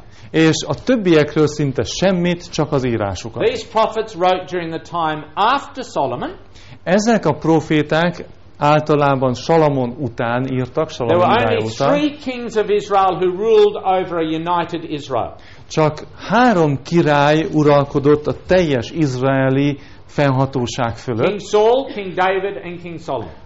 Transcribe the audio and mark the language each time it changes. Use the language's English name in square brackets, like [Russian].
[Hungarian] És a többiekről szinte semmit, csak az írásukat. [English] These prophets wrote during the time after Solomon. [Hungarian] Ezek a proféták általában Salamon után írtak, Salamon idejé után. Csak három király uralkodott a teljes izraeli fennhatóság fölött. [English] King Saul, King David and King Solomon.